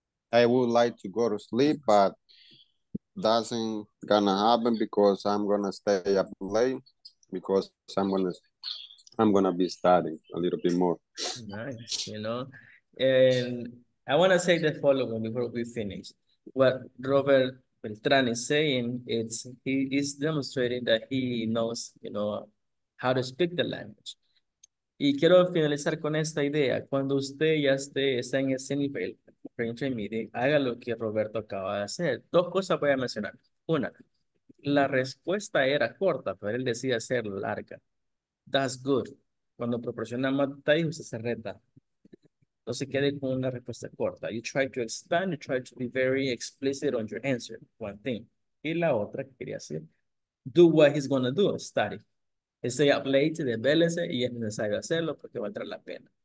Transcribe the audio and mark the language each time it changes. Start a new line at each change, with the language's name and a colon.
English: I would like to go to sleep, but doesn't gonna happen because I'm gonna stay up late because I'm gonna be studying a little bit more. Nice, and I wanna say the following before we finish. What Robert Beltran is saying, he is demonstrating that he knows, how to speak the language.
Spanish: Y quiero finalizar con esta idea. Cuando usted ya está en ese nivel, haga lo que Roberto acaba de hacer. Dos cosas voy a mencionar. Una, la respuesta era corta, pero él decide hacerlo larga.
English: That's good.
Spanish: Cuando proporciona más detalles, usted se reta. No se quede con una respuesta corta.
English: You try to expand, you try to be very explicit on your answer. One thing.
Spanish: Y la otra, quería hacer,
English: do what he's going to do, study. Stay up late,
Spanish: desvélese, y es necesario hacerlo porque valdrá la pena.